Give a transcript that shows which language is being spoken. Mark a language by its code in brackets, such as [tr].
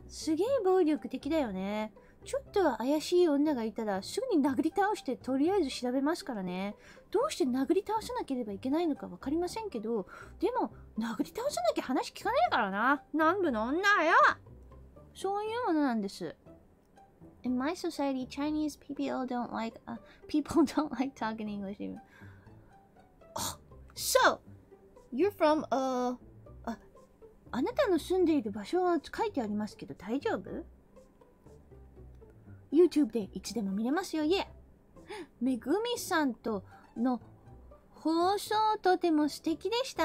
[ja] すげえ暴力的だよね。ちょっと怪しい女がいたらすぐに殴り倒してとりあえず調べますからね。どうして殴り倒さなければいけないのかわかりませんけど、でも殴り倒さなきゃ話聞かねえからな。南部の女よ。そういうものなんです。 [en] In my society, Chinese people don't like talking English even. So, you're from [ja] あなたの住んでいる場所は書いてありますけど大丈夫？ YouTube でいつでも見れますよ。Yeah, Megumi さんとの放送とても素敵でした。